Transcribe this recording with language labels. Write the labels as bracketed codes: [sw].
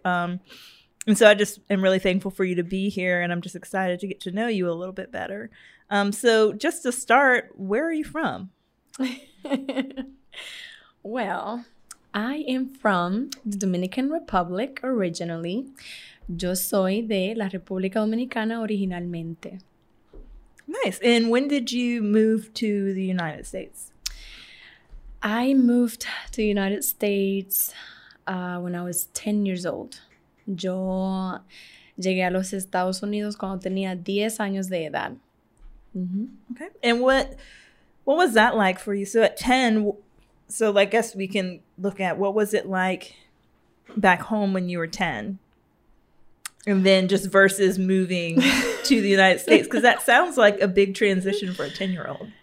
[en] And so I just am really thankful for you to be here, and I'm just excited to get to know you a little bit better. So just to start, where are you from? Well, I am from the Dominican Republic originally. [es] Yo soy de la República Dominicana originalmente. [en] Nice. And when did you move to the United States? I moved to the United States when I was 10 years old. [es] Yo llegué a los Estados Unidos cuando tenía 10 años de edad. [en] Mm-hmm. Okay. And what was that like for you? So at 10, so I guess we can look at what was it like back home when you were 10? And then just versus moving to the United States, because that sounds like a big transition for a 10-year-old.